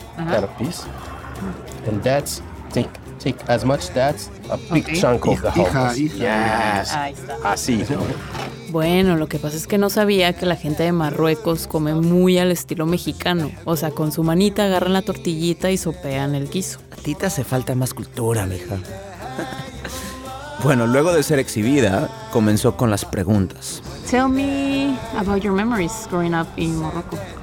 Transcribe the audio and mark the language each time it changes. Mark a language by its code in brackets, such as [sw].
[en] And that's take as much that a big okay. chunk of the whole. Yes. Así. [es] Bueno, lo que pasa es que no sabía que la gente de Marruecos come muy al estilo mexicano. O sea, con su manita agarran la tortillita y sopean el guiso. A ti te hace falta más cultura, mija. Bueno, luego de ser exhibida, comenzó con las preguntas. [en] Tell me about your memories growing up in Morocco.